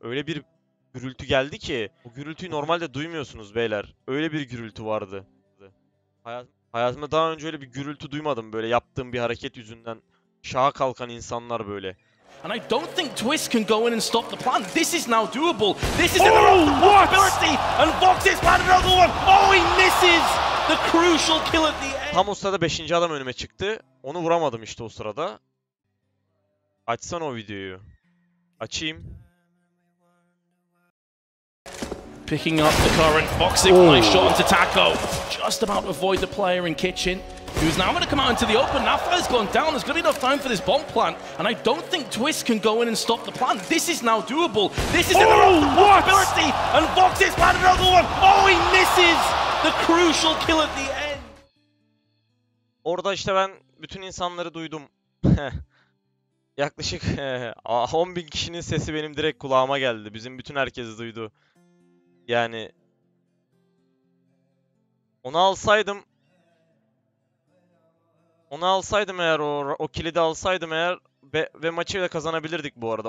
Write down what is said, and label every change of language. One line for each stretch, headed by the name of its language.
Turkish: Öyle bir gürültü geldi ki o gürültüyü normalde duymuyorsunuz beyler. Öyle bir gürültü vardı. Hayatımda daha önce öyle bir gürültü duymadım böyle yaptığım bir hareket yüzünden şaha kalkan insanlar böyle.
English: And I don't think Twist can go in and stop the plan. This is now doable. This is another possibility. And Vox has planned another one. Oh, he misses the crucial kill at the end.
Turkish: Tam o sırada 5. adam önüme çıktı. Onu vuramadım işte o sırada. Açsan o videoyu. Açayım.
English: Picking up the current boxing play, shot onto Taco. Just about to avoid the player in Kitchen. Who's now going to come out into the open? Nafla's gone down. There's going to be enough time for this bomb plant. And I don't think Twist can go in and stop the plant. This is now doable. This is another possibility. And Vox has had another one. Oh, he misses the crucial kill at the end.
Turkish: Orada işte ben bütün insanları duydum. Yaklaşık 10 bin kişinin sesi benim direkt kulağıma geldi. Bizim bütün herkesi duydu. Yani onu alsaydım eğer o kilidi alsaydım eğer ve maçı da kazanabilirdik bu arada.